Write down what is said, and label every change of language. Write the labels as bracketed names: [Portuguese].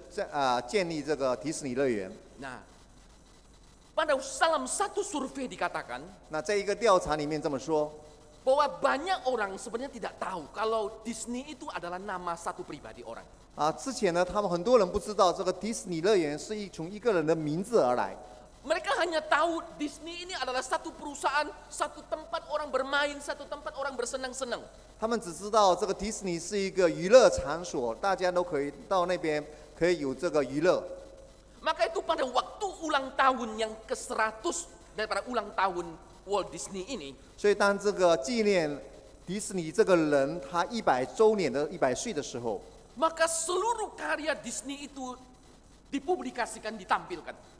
[Chinese] 第一就是这个是第一个城市建立这个迪士尼乐园。 [Indonesian] Nah, pada dalam satu survei dikatakan. [Chinese] 那在一个调查里面这么说。 [Indonesian] Bahwa banyak orang sebenarnya tidak tahu kalau Disney itu adalah nama satu pribadi orang. [Chinese] 之前呢，他们很多人不知道这个迪士尼乐园是从一个人的名字而来。 [Indonesian] Mereka hanya tahu Disney ini adalah satu perusahaan, satu tempat orang bermain, satu tempat orang bersenang-senang. [Chinese] 他们只知道这个迪士尼是一个娱乐场所，大家都可以到那边可以有这个娱乐。 [Indonesian] Maka itu pada waktu ulang tahun yang ke-100 daripada ulang tahun Walt Disney ini. [Chinese] 所以当这个纪念迪士尼这个人他100周年的100岁的时候， [Indonesian] maka seluruh karya Disney itu dipublikasikan, ditampilkan.